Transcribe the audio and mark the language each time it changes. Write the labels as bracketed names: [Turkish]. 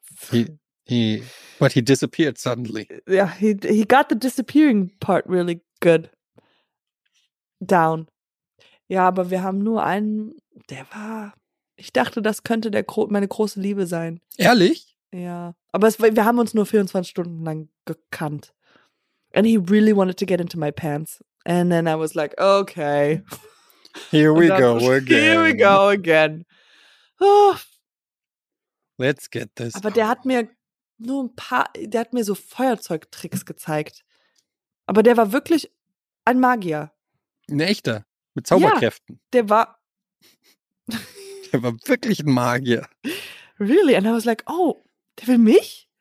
[English] But he disappeared suddenly. Yeah, he got the disappearing part really good down. [German] Ja, aber wir haben nur einen, der war, ich dachte, das könnte meine große Liebe sein. Ehrlich? Ja, aber wir haben uns nur 24 Stunden lang gekannt. [English] And he really wanted to get into my pants. And then I was like, okay. Here we go again. Let's get this. [German] Aber der hat mir nur ein paar, der hat mir so Feuerzeugtricks gezeigt. Aber der war wirklich ein Magier. Ein echter? Mit Zauberkräften. Ja, der war... Der war wirklich ein Magier. [English] Really? And I was like, oh, [German] der will mich?